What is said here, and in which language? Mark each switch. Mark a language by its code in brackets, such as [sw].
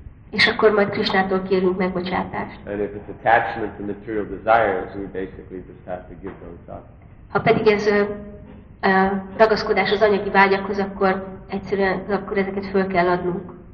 [hu] És akkor majd Krisnától kérünk megbocsátást. [en] And if it's attachment to material desires, we basically just have to give those up. [hu] Ha pedig ez ragaszkodás az anyagi vágyakhoz, akkor egyszerűen akkor ezeket föl kell adnunk.